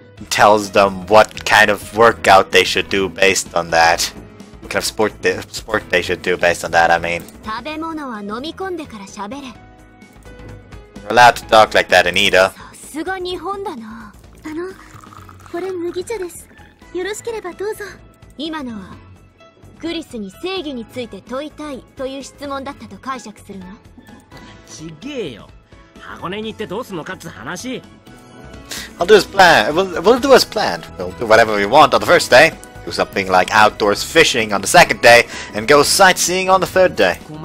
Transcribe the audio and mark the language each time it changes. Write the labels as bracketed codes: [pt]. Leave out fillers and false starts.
[en] Tells them what kind of workout they should do based on that. What kind of sport they should do based on that, I mean. [ja] 食べ物は飲み込んでから喋れ。 [en] You're allowed to talk like that in Ida. [ja] さすが日本だな。あの、これ麦茶です。よろしければどうぞ。今のは。クリスに正義について問いたいという質問だったと解釈するの？ちげえよ。箱根に行ってどうするのかって話。 [en] I'll do as planned. We'll do as planned. We'll do whatever we want on the first day. do something like outdoors fishing on the second day and go sightseeing on the third day.